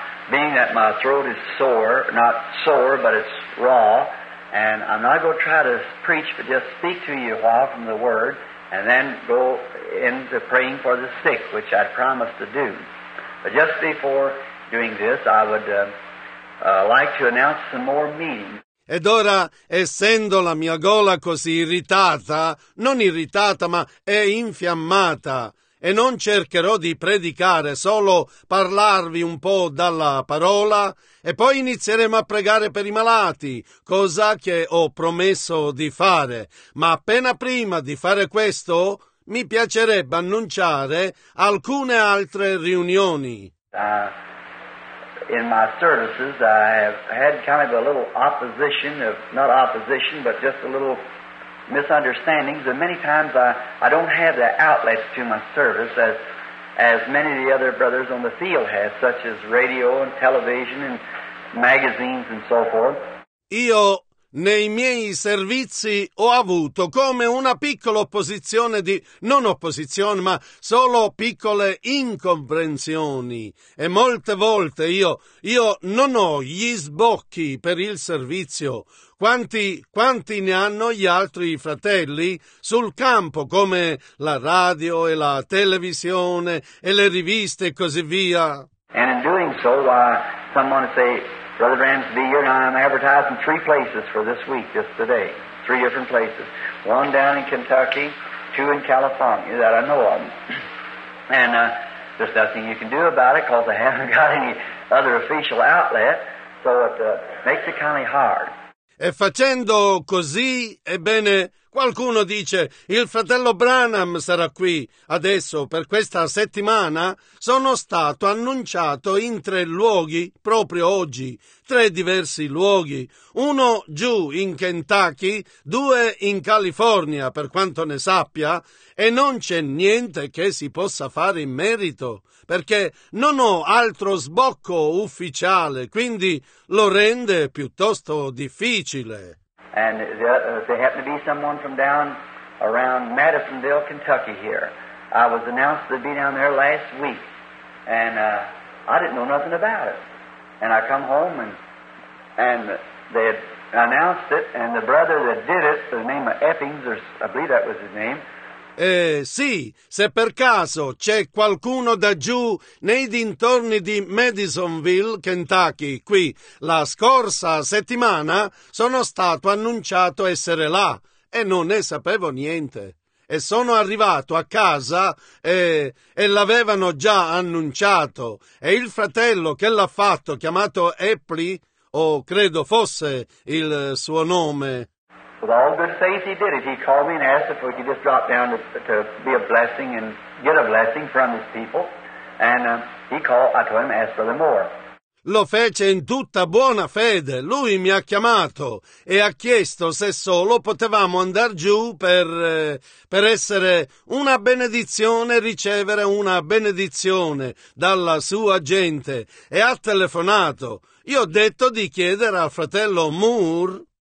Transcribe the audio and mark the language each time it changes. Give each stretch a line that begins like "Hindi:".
English: Being that my throat is sore, not sore, but it's raw, and I'm not going to try to preach, but just speak to you a while from the Word, and then go into praying for the sick, which I promised to do. But just before doing this, I would like to announce some more meetings.
Italian: Ed ora, essendo la mia gola così irritata, non irritata, ma è infiammata, e non cercherò di predicare, solo parlarvi un po' dalla parola, e poi inizieremo a pregare per i malati, cosa che ho promesso di fare. Ma appena prima di fare questo, mi piacerebbe annunciare alcune altre riunioni.
English: In my services, I have had kind of a little opposition, of, not opposition, but just a little misunderstandings, and many times I don't have the outlets to my service as many of the other brothers on the field have, such as radio and television and magazines and so forth.
Italian: Io nei miei servizi ho avuto come una piccola opposizione di, non opposizione, ma solo piccole incomprensioni. E molte volte io non ho gli sbocchi per il servizio. Quanti ne hanno gli altri fratelli sul campo, come la radio e la televisione e le riviste e così via?
English: And in doing so, someone say, Brother Branham's be here, and I'm advertising three places for this week, just today. Three different places. One down in Kentucky, two in California that I know of. And there's nothing you can do about it because I haven't got any other official outlet, so it makes it kind of hard.
Italian: E facendo così, ebbene, qualcuno dice, il fratello Branham sarà qui adesso per questa settimana. Sono stato annunciato in tre luoghi, proprio oggi, tre diversi luoghi. Uno giù in Kentucky, due in California, per quanto ne sappia, e non c'è niente che si possa fare in merito, perché non ho altro sbocco ufficiale, quindi lo rende piuttosto difficile.
English: And there happened to be someone from down around Madisonville, Kentucky here. I was announced to be down there last week, and I didn't know nothing about it. And I come home, and they had announced it, and the brother that did it, the name of Eppings, or I believe that was his name,
Italian: Sì, se per caso c'è qualcuno da giù nei dintorni di Madisonville, Kentucky, qui, la scorsa settimana sono stato annunciato essere là e non ne sapevo niente. E sono arrivato a casa e l'avevano già annunciato. E il fratello che l'ha fatto, chiamato Epley, o credo fosse il suo nome.
English: With all good faith he did it. He called me and asked if we could just drop down to be a blessing and get a blessing from his people. And I told him, ask for the more.
Italian: Lo fece in tutta buona fede. Lui mi ha chiamato e ha chiesto se solo potevamo andare giù per essere una benedizione, ricevere una benedizione dalla sua gente. E ha telefonato. Io ho detto di chiedere al fratello Moore.